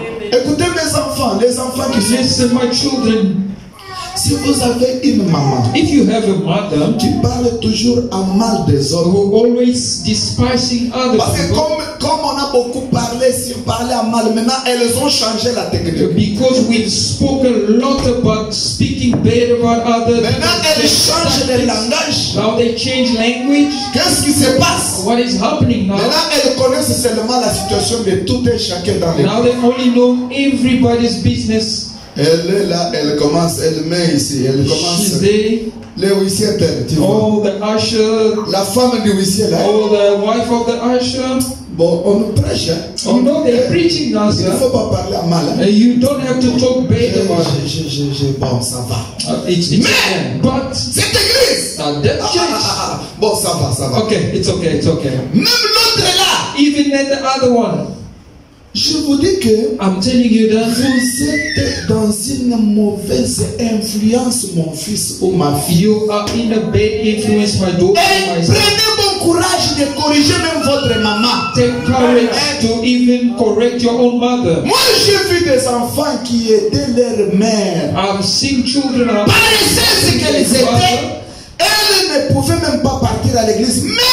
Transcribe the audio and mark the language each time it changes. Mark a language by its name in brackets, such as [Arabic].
[French] Écoutez mes enfants, les enfants qui sont. [English] Listen, my children. [French] Si vous avez une maman, [English] if you have a mother, [French] qui parle toujours à mal des autres, [English] who always despising others, [French] parce que comme on a beaucoup parlé, si on parlait à mal, maintenant elles ont changé la technique. [English] Because we've spoken a lot about speaking bad about others. [French] Maintenant elles changent le langage. [English] Now they change language. [French] Qu'est-ce qui se passe? [English] What is happening now? [French] Maintenant elles connaissent seulement la situation de tout et chacun dans les. [English] Now they only know everybody's business. [French] Elle est là, elle commence, elle met ici, elle commence. [English] She's there. [French] Les huissiers, tu vois. [English] Oh, the usher. [French] La femme du huissier là. [English] Oh, the wife of the usher. [French] Bon, on prêche. Hein? [English] You know they're preaching now, sir. [French] Il ne faut pas parler mal. Hein? [English] You don't have to talk bad about it. [French] Je, bon, ça va. [English] But [French] cette église. Bon, ça va. [English] Okay, it's okay. [French] Même l'autre là. [English] Even at the other one. [French] Je vous dis que [English] I'm telling you that [French] vous êtes dans une mauvaise influence, mon fils ou ma fille. [English] You are in a bad influence, my daughter. [French] Et prenez bon courage de corriger même votre maman. [English] Take courage to even correct your own mother. [French] Moi, j'ai vu des enfants qui étaient leur mère. [English] I've seen children. [French] Paraissait ce qu'elles étaient. Elles ne pouvaient même pas partir à l'église.